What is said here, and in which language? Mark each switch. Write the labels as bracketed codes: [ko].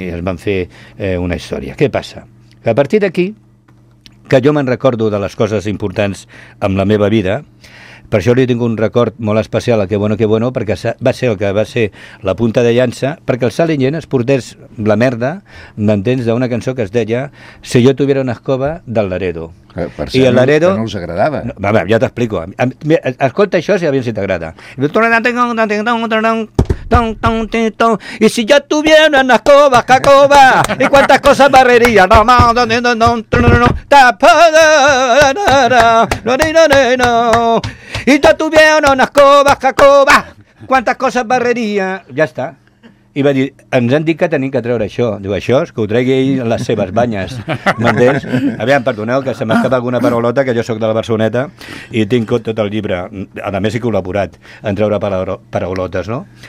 [ca] I es van fer una història. Què passa? Que a partir d'aquí, que jo me'n recordo de les coses importants en la meva vida, per això li tinc un record molt especial a Que Bueno, perquè va ser el que va ser la punta de llança, perquè el Salinger es portés la merda, m'entens, d'una cançó que es deia Si jo tuviera una escoba, del Laredo. Per ser, i el Laredo, que no els agradava. No, va, ja t'explico. Escolta això si a mi si t'agrada. Ton, ton, ton, ton. [es] Y si yo tuviera una escoba, cacoba, y cuántas cosas barrería, no, no, no, no, no, no, no, tapada, no, no, no, no, y yo tuviera una escoba, cacoba, cuántas cosas barrería, ya está. [ca] I va dir, ens han dit que tenim que treure això. Diu, això és que ho tregui ell a les seves banyes. M'entens? Aviam, perdoneu, que se m'escapa alguna paraulota, que jo sóc de la Barceloneta i tinc tot el llibre. A més, he col·laborat en treure paraulotes, no?